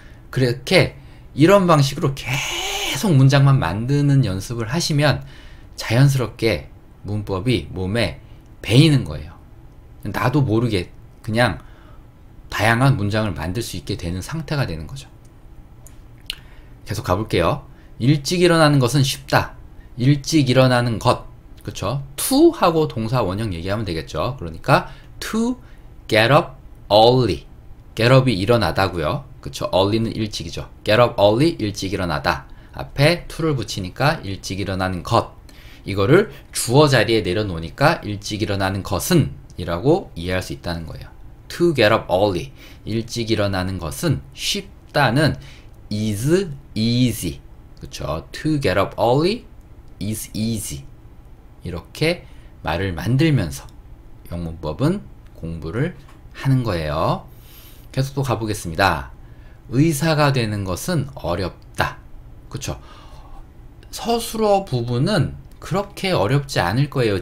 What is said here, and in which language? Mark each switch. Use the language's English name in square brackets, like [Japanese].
[Korean] 그렇게 이런 방식으로 계속 문장만 만드는 연습을 하시면 자연스럽게 문법이 몸에 배이는 거예요. 나도 모르게 그냥 다양한 문장을 만들 수 있게 되는 상태가 되는 거죠. 계속 가볼게요. 일찍 일어나는 것은 쉽다. 일찍 일어나는 것, 그쵸? to 하고 동사 원형 얘기하면 되겠죠. 그러니까 [English] to get up early. [Korean] get up이 일어나다고요. 그쵸? early는 일찍이죠. get up early, 일찍 일어나다. 앞에 to를 붙이니까 일찍 일어나는 것. 이거를 주어 자리에 내려놓으니까 일찍 일어나는 것은 이라고 이해할 수 있다는 거예요. [English] to get up early, [Korean] 일찍 일어나는 것은 쉽다는 [English] is easy. [Korean] 그쵸? [English] to get up early is easy. [Korean] 이렇게 말을 만들면서 영문법은 공부를 하는 거예요. 계속 또 가보겠습니다. 의사가 되는 것은 어렵다. 그쵸? 서술어 부분은 그렇게 어렵지 않을 거예요.